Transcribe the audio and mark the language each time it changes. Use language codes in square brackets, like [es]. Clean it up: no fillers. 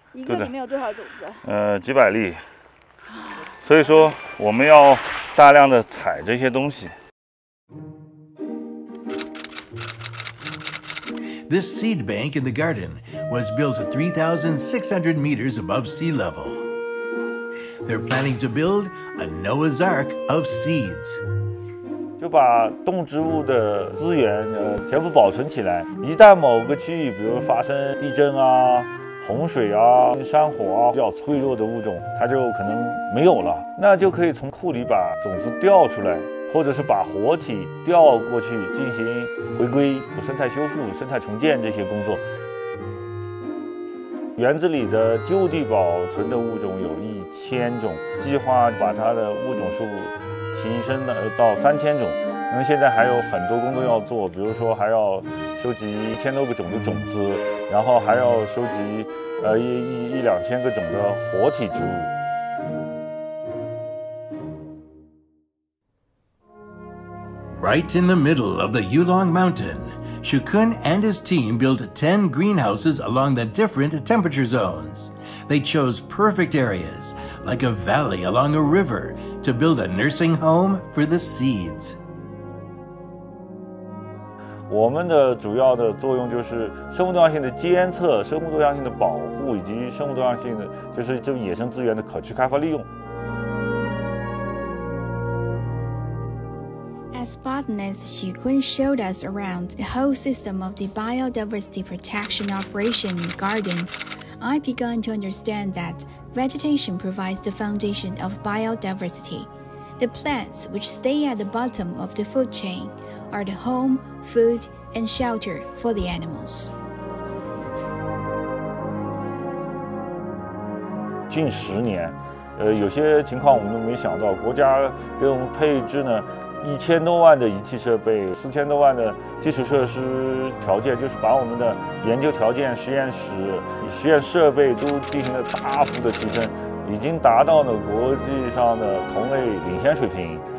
[zh] 一共里面有多少种子？几百粒，所以说我们要大量的采这些东西。 [en] This seed bank in the garden was built 3,600 meters above sea level. They're planning to build a Noah's Ark of seeds. [zh] 就把动植物的资源全部保存起来，一旦某个区域，比如发生地震啊。洪水啊，山火啊，比较脆弱的物种，它就可能没有了。那就可以从库里把种子调出来，或者是把活体调过去进行回归生态修复、生态重建这些工作。园子里的就地保存的物种有1000种，计划把它的物种数提升到3000种。那么现在还有很多工作要做，比如说还要收集1000多个种的种子，然后还要收集1-2000个种的活体植物。 [en] Right in the middle of the Yulong Mountain, Shukun and his team built 10 greenhouses along the different temperature zones. They chose perfect areas, like a valley along a river, to build a nursing home for the seeds. [zh] 我们的主要的作用就是生物多样性的监测、生物多样性的保护以及生物多样性的就是这野生资源的可持开发利用。 [en] As botanist Xukun showed us around the whole system of the biodiversity protection operation in the garden, I began to understand that vegetation provides the foundation of biodiversity. The plants which stay at the bottom of the food chain are the home, food, and shelter for the animals. [zh] 近10年，有些情况我们都没想到，国家给我们配置呢1000多万的仪器设备，4000多万的基础设施条件，就是把我们的研究条件、实验室、实验设备都进行了大幅的提升，已经达到了国际上的同类领先水平。